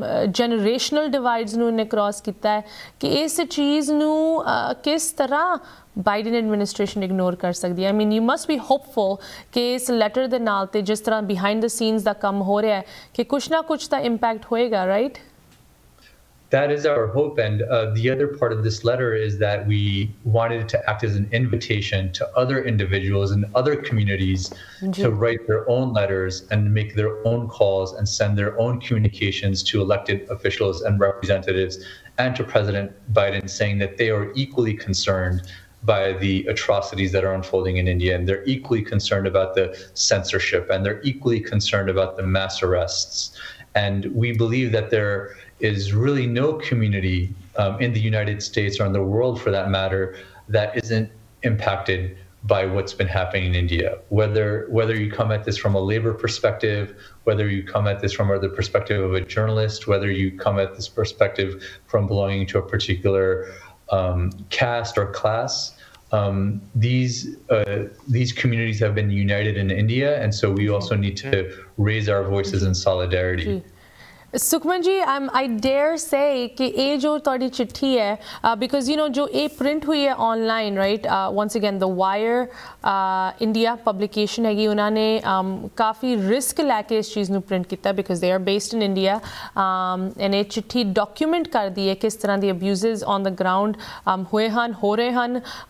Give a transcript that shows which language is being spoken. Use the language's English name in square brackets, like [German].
[Punjabi] Generational ਡਿਵਾਈਡਸ ਨੂੰ ਇਹਨੇ cross ਕੀਤਾ ਹੈ ਕਿ ਇਸ ਚੀਜ਼ ਨੂੰ ਕਿਸ ਤਰ੍ਹਾਂ ਬਾਈਡਨ ਐਡਮਿਨਿਸਟ੍ਰੇਸ਼ਨ ਇਗਨੋਰ ਕਰ ਸਕਦੀ ਹੈ [English] I mean you must be hopeful [Punjabi] ਕਿ ਇਸ ਲੈਟਰ ਦੇ ਨਾਲ ਅਤੇ ਜਿਸ ਤਰ੍ਹਾਂ [English] behind the scenes [Punjabi] ਦਾ ਕੰਮ ਹੋ ਰਿਹਾ ਹੈ ਕਿ ਕੁਛ ਨਾ ਕੁਛ ਤਾਂ ਇੰਪੈਕਟ ਹੋਏਗਾ right [English] That is our hope, and the other part of this letter is that we wanted it to act as an invitation to other individuals and other communities to write their own letters and make their own calls and send their own communications to elected officials and representatives and to President Biden, saying that they are equally concerned by the atrocities that are unfolding in India, and they're equally concerned about the censorship, and they're equally concerned about the mass arrests. And we believe that there is really no community in the United States or in the world for that matter that isn't impacted by what's been happening in India. Whether you come at this from a labor perspective, whether you come at this from the perspective of a journalist, whether you come at this perspective from belonging to a particular caste or class, these communities have been united in India, and so we also need to raise our voices in solidarity. [Punjabi] Sukhman ਜੀ [English] I dare say [Punjabi] ਕਿ ਇਹ ਜੋ ਤੁਹਾਡੀ ਚਿੱਠੀ ਹੈ [English] because you know [Punjabi] ਜੋ ਇਹ print ਹੋਈ ਹੈ ਔਨਲਾਈਨ [English] right once again [Punjabi] ਦ ਵਾਇਰ ਇੰਡੀਆ ਪਬਲੀਕੇਸ਼ਨ ਹੈਗੀ ਉਹਨਾਂ ਨੇ ਕਾਫੀ ਰਿਸਕ ਲੈ ਕੇ ਇਸ ਚੀਜ਼ ਨੂੰ ਪ੍ਰਿੰਟ ਕੀਤਾ [English] because they are based in India and [Punjabi] ਇਹ ਚਿੱਠੀ ਡਾਕੂਮੈਂਟ ਕਰਦੀ ਹੈ ਕਿਸ ਤਰ੍ਹਾਂ ਦੀ [English] abuse on the ground [Punjabi] ਹੋਏ ਹਨ ਹੋ ਰਹੇ ਹਨ